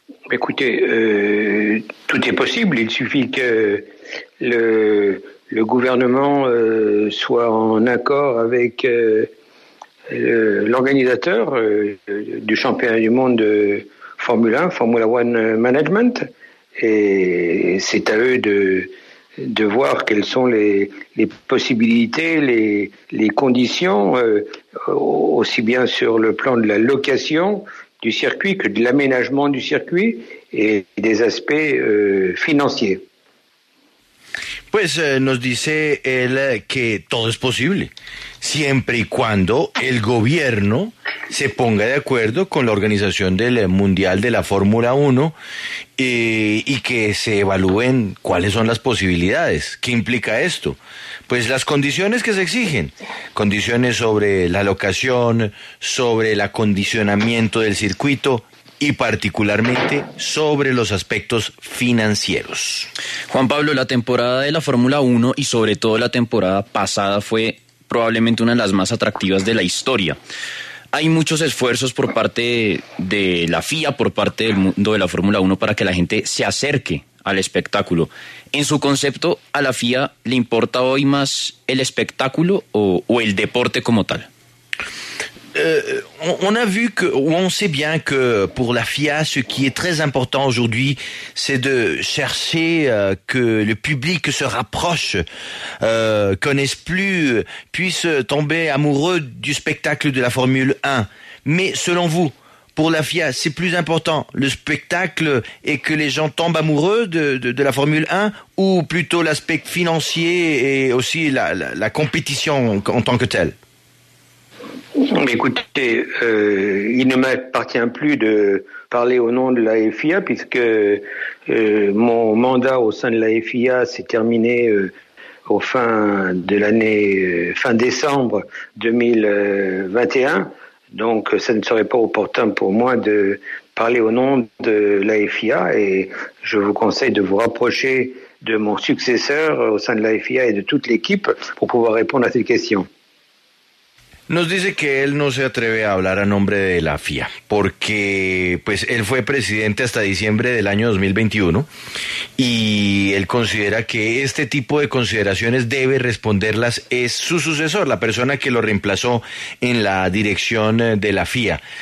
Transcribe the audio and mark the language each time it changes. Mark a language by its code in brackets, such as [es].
[fr] Écoutez, tout est possible. Il suffit que le gouvernement soit en accord avec l'organisateur du championnat du monde de Formule 1, Formula One Management, et c'est à eux de voir quelles sont les possibilités, les conditions, aussi bien sur le plan de la location du circuit que de l'aménagement du circuit et des aspects financiers. [es] Pues nos dice él que todo es posible, siempre y cuando el gobierno se ponga de acuerdo con la organización del Mundial de la Fórmula 1 y que se evalúen cuáles son las posibilidades. ¿Qué implica esto? Pues las condiciones que se exigen, condiciones sobre la locación, sobre el acondicionamiento del circuito, y particularmente sobre los aspectos financieros. Juan Pablo, la temporada de la Fórmula 1 y sobre todo la temporada pasada fue probablemente una de las más atractivas de la historia. Hay muchos esfuerzos por parte de la FIA, por parte del mundo de la Fórmula 1, para que la gente se acerque al espectáculo. En su concepto, ¿a la FIA le importa hoy más el espectáculo o el deporte como tal? [fr] On a vu que, ou on sait bien que pour la FIA, ce qui est très important aujourd'hui, c'est de chercher que le public se rapproche, connaisse plus, puisse tomber amoureux du spectacle de la Formule 1. Mais selon vous, pour la FIA, c'est plus important le spectacle et que les gens tombent amoureux de la Formule 1 ou plutôt l'aspect financier et aussi la compétition en tant que telle? Écoutez, il ne m'appartient plus de parler au nom de la FIA puisque mon mandat au sein de la FIA s'est terminé au fin de l'année, fin décembre 2021. Donc, ça ne serait pas opportun pour moi de parler au nom de la FIA et je vous conseille de vous rapprocher de mon successeur au sein de la FIA et de toute l'équipe pour pouvoir répondre à cette question. [es] Nos dice que él no se atreve a hablar a nombre de la FIA, porque pues él fue presidente hasta diciembre del año 2021 y él considera que este tipo de consideraciones debe responderlas es su sucesor, la persona que lo reemplazó en la dirección de la FIA.